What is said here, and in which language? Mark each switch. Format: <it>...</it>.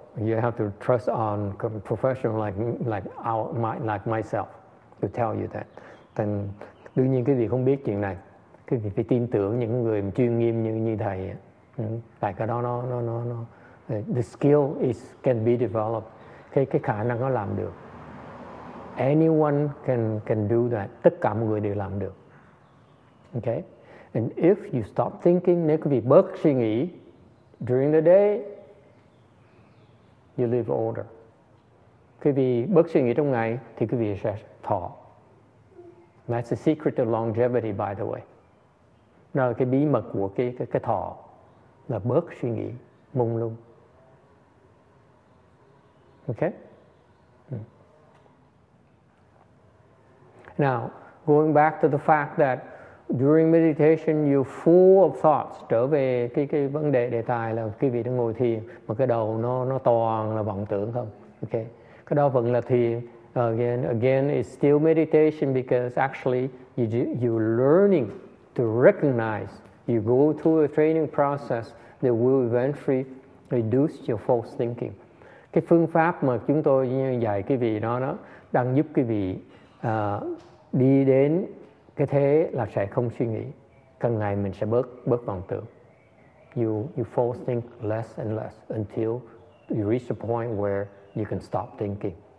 <en>You have to trust on professional like myself to tell you that.</en> <vi>Then, đương nhiên cái gì không biết chuyện này, cái gì phải tin tưởng những người chuyên nghiêm như thầy. Tại cái đó nó</vi> <en>the skill can be developed.</en> <vi>cái khả năng nó làm được.</vi> <en>Anyone can do that.</en> <vi>Tất cả mọi người đều làm được.</vi> <en>Okay? And if you stop thinking,</en> <vi>nếu quý vị bớt suy nghĩ</vi> <en>during the day, you live older.</en> <vi>Quý vị bớt suy nghĩ trong ngày thì quý vị sẽ thọ.</vi> <en>That's the secret of longevity, by the way.</en> <vi>Đó là cái bí mật của cái thọ, là bớt suy nghĩ mông lung.</vi> <en>Okay? Now, going back to the fact that during meditation you're full of thoughts,</en> <vi>trở về cái vấn đề đề tài là quý vị đang ngồi thiền mà cái đầu nó toàn là vọng tưởng không? Okay. Cái đó vẫn là thiền.</vi> <en>Again it's still meditation because actually you're learning to recognize. You go through a training process that will eventually reduce your false thinking.</en> <vi>Cái phương pháp mà chúng tôi dạy quý vị đó đang giúp quý vị đi đến cái thế là sẽ không suy nghĩ. Càng ngày mình sẽ bớt vọng tưởng.</vi> <en>You false think less and less until you reach a point where you can stop thinking.</en>